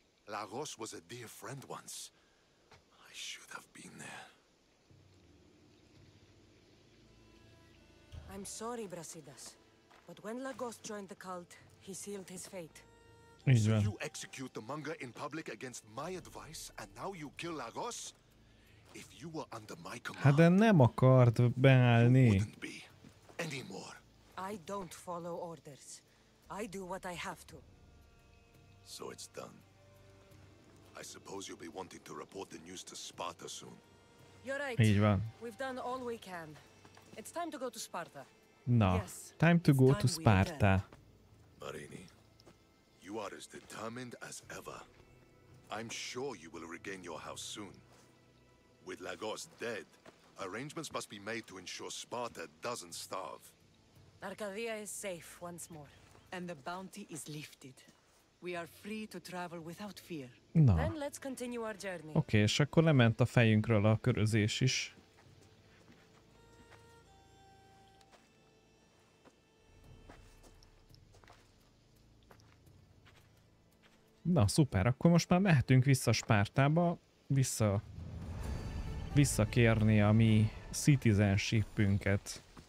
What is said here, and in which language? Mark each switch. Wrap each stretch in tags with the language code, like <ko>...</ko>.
<en>La Rose was a dear friend once. I should have been there. I'm sorry, Brasidas, but when Lagos joined the cult, he sealed his fate. So you execute the monger in public against my advice, and now you kill Lagos? If you were under my command,</en> <hu>hát de nem akart beállni.</hu> <en>You wouldn't be anymore. I don't follow orders. I do what I have to. So it's done. I suppose you'll be wanting to report the news to Sparta soon. You're right.</en> <hu>Így van.</hu> <en>We've done all we can. It's time to go to Sparta. No. Yes, time to go to Sparta. Marini, you are as determined as ever. I'm sure you will regain your house soon. With Lagos dead, arrangements must be made to ensure Sparta doesn't starve. Arcadia is safe once more. And the bounty is lifted. We are free to travel without fear. No. Then let's continue our journey.</en> <hu>Okay, és akkor lement a fejünkről a körözés is. Na, szuper, akkor most már mehetünk vissza Spártába, visszakérni a mi citizenshipünket.</hu>